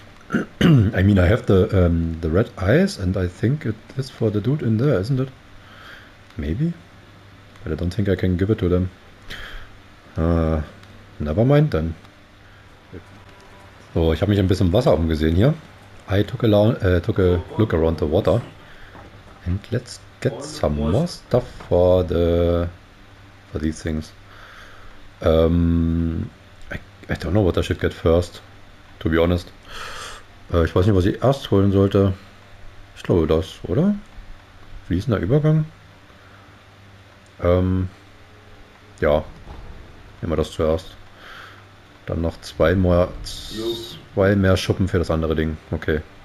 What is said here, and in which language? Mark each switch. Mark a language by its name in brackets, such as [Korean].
[English] I mean, I have the red eyes, and I think it is for the dude in there, isn't it? Maybe? But I don't think I can give it to them. Never mind, then. [German] So, ich habe mich ein bisschen Wasser umgesehen hier. [English] I took a look around the water. And let's get some more stuff for these things. I don't know what I should get first, to be honest. [German] Ich weiß nicht, was ich erst holen sollte. Ich glaube das, oder? Fließender Übergang? Ja. Nehmen wir das zuerst. Dann noch zwei mehr Schuppen für das andere Ding. Okay.